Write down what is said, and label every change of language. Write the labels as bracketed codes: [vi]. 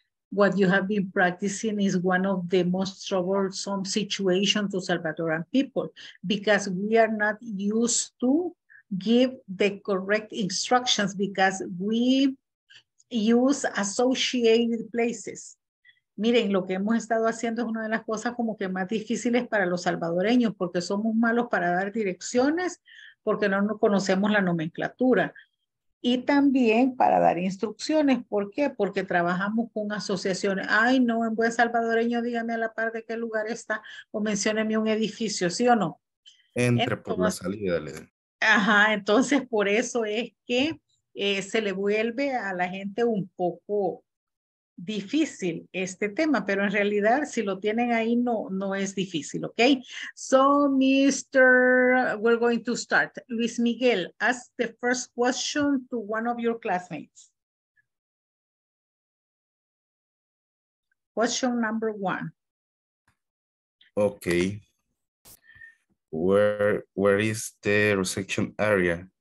[en] What you have been practicing is one of the most troublesome situations to Salvadoran people because we are not used to give the correct instructions because we use associated places. [es] Miren, lo que hemos estado haciendo es una de las cosas como que más difíciles para los salvadoreños porque somos malos para dar direcciones porque no conocemos la nomenclatura. Y también para dar instrucciones. ¿Por qué? Porque trabajamos con asociaciones. Ay, no, en buen salvadoreño, dígame a la par de qué lugar está o mencióneme un edificio, ¿sí o no? Entre por la salida, le. Ajá, entonces por eso es que se le vuelve a la gente un poco difícil este tema, pero en realidad si lo tienen ahí no es difícil, ¿ok? [en] So, Mr., we're going to start. Luis Miguel, ask the first question to one of your classmates. Question number one. Okay. Where is the reception area?